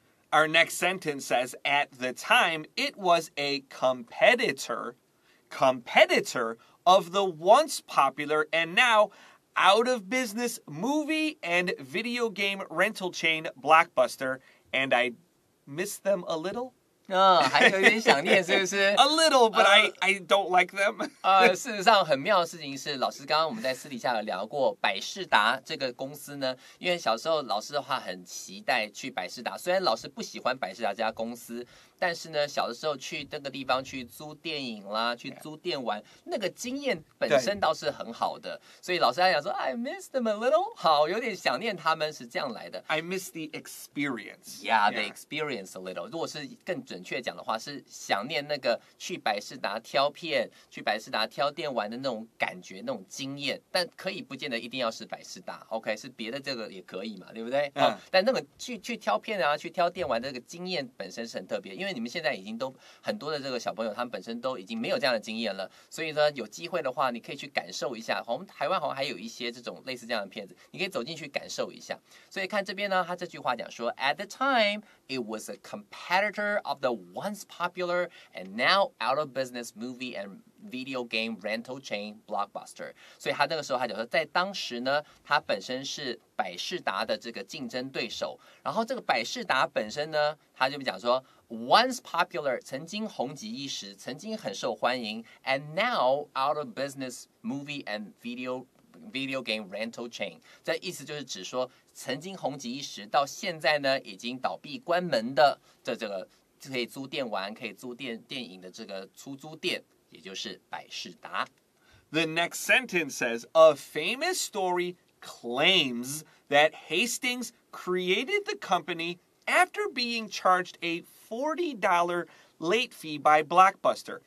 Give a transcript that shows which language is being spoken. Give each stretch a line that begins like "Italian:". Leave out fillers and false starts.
English: Our next sentence says, at the time, it was a competitor of the once popular and now out of business movie and video game rental chain Blockbuster, and I miss them a little.
Chinese: 还是有点想念是不是?
English: A little, but I don't like them.
Chinese: 事实上很妙的事情是老师刚刚我们在私底下有聊过百事达这个公司呢，因为小时候老师的话很期待去百事达，虽然老师不喜欢百事达这家公司，但是呢小的时候去那个地方去租电影啦，去租电玩、
English: yeah.
Chinese: 那个经验本身倒是很好的，所以老师还想说
English: I miss them a little,
Chinese: 好有点想念他们，是这样来的。
English: I miss the experience. Yeah, the experience a little.
Chinese: 如果是更准确讲的话，是想念那个去百事达挑片，去百事达挑电玩的那种感觉，那种经验。但可以不见得一定要是百事达，
English: OK,
Chinese: 是别的这个也可以嘛，对不对、
English: yeah.
Chinese: 但那个 去挑片啊，去挑电玩的这个经验本身是很特别，因为你们现在已经都很多的这个小朋友他们本身都已经没有这样的经验了，所以说有机会的话你可以去感受一下，好像台湾好像还有一些这种类似这样的片子，你可以走进去感受一下。所以看这边呢，他这句话讲说
English: At the time it was a competitor of the once popular and now out of business movie and video game rental chain Blockbuster.
Chinese: 所以他那个时候他讲说在当时呢，他本身是百事达的这个竞争对手，然后这个百事达本身呢，他就讲说
English: Once popular,
Chinese: 曾经红极一时，曾经很受欢迎
English: and now out of business movie and video game rental chain.
Chinese: 这意思就是指说曾经红极一时，到现在呢已经倒闭关门的这个可以租电玩，可以租电影的这个出租店，也就是百事达。
English: The next sentence says, a famous story claims that Hastings created the company after being charged a $40 late fee by Blockbuster.